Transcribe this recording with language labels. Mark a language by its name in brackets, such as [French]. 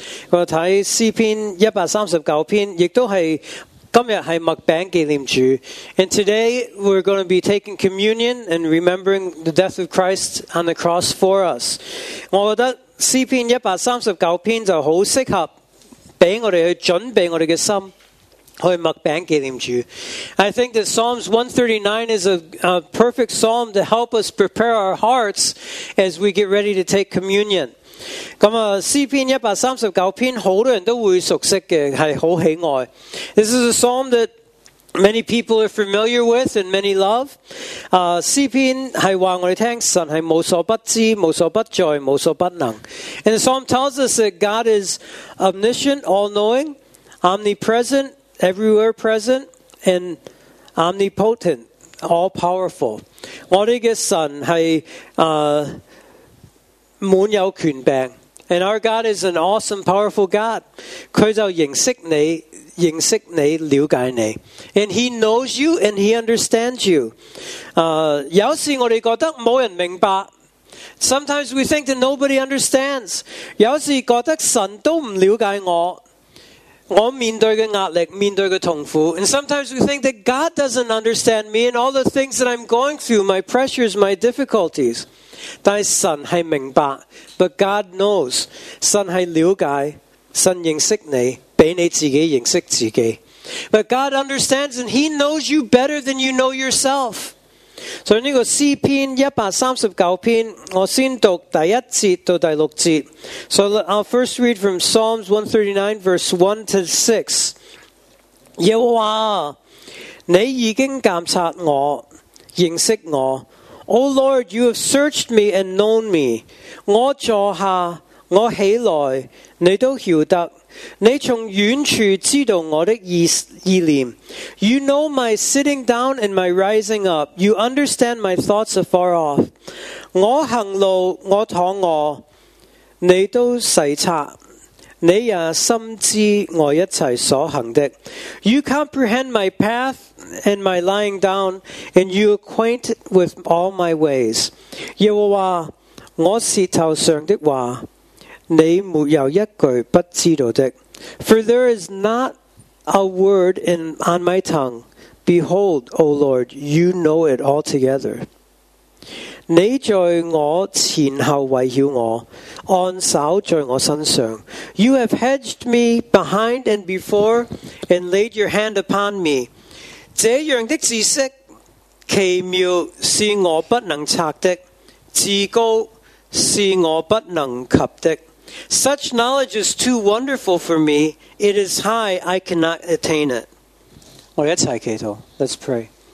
[Cantonese] 我睇诗篇139篇，亦都系今日系麦饼纪念主。 [English] And today we're going to be taking communion and remembering the death of Christ on the cross for us。 [Cantonese] 我觉得诗篇139篇就好适合俾我哋去准备我哋嘅心去麦饼纪念主。 [English] I think that Psalms 139 is a perfect psalm to help us prepare our hearts as we get ready to take communion。 [Cantonese] 咁啊，诗篇139篇好多人都会熟悉嘅，系好喜爱。 [English] This is a psalm that many people are familiar with and many love。 [Cantonese] 诗篇系话我哋听，神系无所不知、无所不在、无所不能。 [English] And the psalm tells us that God is omniscient, all-knowing, omnipresent, everywhere present, and omnipotent, all-powerful。 [Cantonese] 我哋嘅神系满有权柄。 [English] And our God is an awesome, powerful God。 [Cantonese] 佢就认识你。认识你，了解你 [English] ，and he knows you and he understands you。 [Cantonese] 有时我哋觉得冇人明白 [English] ，sometimes we think that nobody understands。 [Cantonese] 有时觉得神都唔了解我，我面对嘅压力，面对嘅痛苦 [English] ，and sometimes we think that God doesn't understand me and all the things that I'm going through, my pressures, my difficulties。 [Cantonese] 但系神系明白 ， [English] but God knows。 [Cantonese] 神系了解，神认识你。俾你自己认识自己 [English] ，But God understands and He knows you better than you know yourself。 [Cantonese] 所以呢个诗篇139篇，我先读第一节到第六节。 [English] So I'll first read from Psalms 139 verse 1-6。 [Cantonese] 耶和华，你已经监察我，认识我。 [English] O Lord, you have searched me and known me。 [Cantonese] 我坐下，我起来，你都晓得。你从远处知道我的意念。 [English] You know my sitting down and my rising up. You understand my thoughts afar off. [Cantonese] 我行路，我躺卧，你都细察。你也深知我一切所行的。 [English] You comprehend my path and my lying down, and you acquaint with all my ways. [Cantonese] 耶和华，我舌头上的话。你没有一句不知道的 [English] For there is not a word on my tongue. Behold, O Lord, you know it altogether. [Cantonese] 你在我前后围绕我，按手在我身上。 [English] You have hedged me behind and before, and laid your hand upon me. [Cantonese] 这样的知识奇妙是我不能察的，至高是我不能及的。 [English] Such knowledge is too wonderful for me. It is high, I cannot attain it. [Cantonese] 我们一起祈祷 [English] Let's pray.